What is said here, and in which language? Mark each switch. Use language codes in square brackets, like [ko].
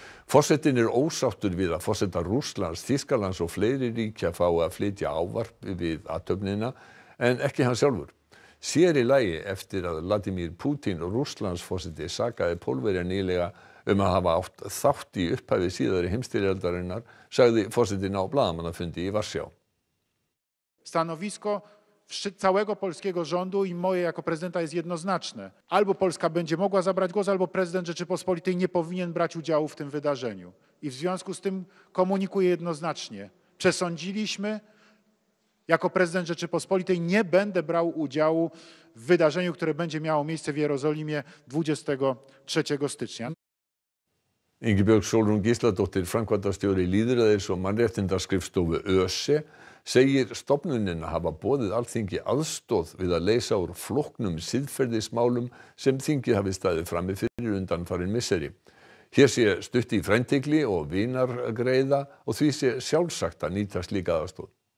[is] Forsetin ósáttur við að forseta Rússlands, Þýskalands og fleiri ríkja fá að flytja ávarp við athöfnina, en ekki hann sjálfur. Sér í lagi eftir að Vladimir Putin og Rússlands forseti sakaði Pólverja nýlega að hafa átt þátt í upphafi síðari heimstyrjaldarinnar, sagði forsetin á blaðamannafundi í Varsjá. [pl] Stanovisko całego polskiego rządu i moje jako prezydenta jest jednoznaczne. Albo Polska będzie mogła zabrać głos, albo prezydent Rzeczypospolitej nie powinien brać udziału w tym wydarzeniu. I w związku z tym komunikuję jednoznacznie. Przesądziliśmy, jako prezydent Rzeczypospolitej nie będę brał udziału w wydarzeniu, które będzie miało miejsce w Jerozolimie 23 stycznia. [is] Ingibjörg Sólrún Gísladóttir, framkvæmdastjóri lýðræðis og mannréttindaskrifstofu ÖSE, segir stofnunina hafa boðið alþingi aðstoð við að leysa úr flóknum siðferðismálum sem þingið hafi staðið frammi fyrir undanfarin misseri. Hér sé stutt í frændigli og vinargreiða og því sé sjálfsagt að nýta slíka aðstoð.